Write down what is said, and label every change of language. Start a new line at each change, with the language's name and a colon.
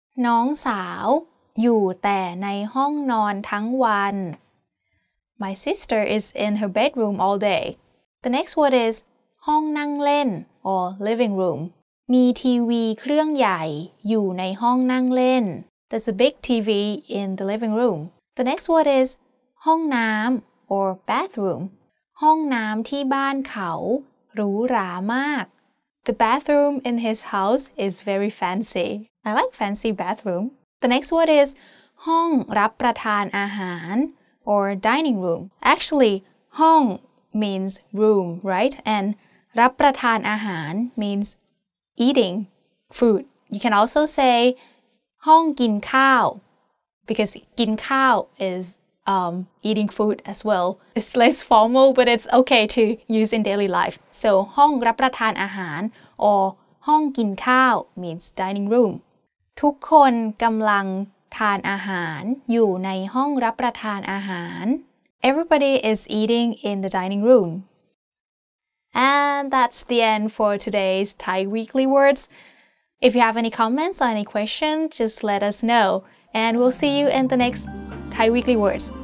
Thai: น้องสาวอยู่แต่ในห้องนอนทั้งวัน
English: My sister is in her bedroom all day. The next word is
Thai: ห้องนั่งเล่น
English: or living room.
Thai: มีทีวีเครื่องใหญ่อยู่ในห้องนั่งเล่น
English: There's a big TV in the living room. The next word is
Thai: ห้องน้ำ
English: or bathroom.
Thai: ห้องน้ำที่บ้านเขาหรูหรามาก
English: The bathroom in his house is very fancy. I like fancy bathroom. The next word is
Thai: ห้องรับประทานอาหาร
English: or dining room. Actually, ห้อง means room, right? And รับประทานอาหาร means eating food. You can also say
Thai: ห้องกินข้าว
English: because กินข้าว is eating food as well. It's less formal, but it's okay to use in daily life. So
Thai: ห้องรับประทานอาหาร
English: or
Thai: ห้องกินข้าว
English: means dining room.
Thai: ทุกคนกำลังทานอาหารอยู่ในห้องรับประทานอาหาร
English: Everybody is eating in the dining room. And that's the end for today's Thai Weekly Words. If you have any comments or any questions, just let us know. And we'll see you in the next Thai Weekly Words.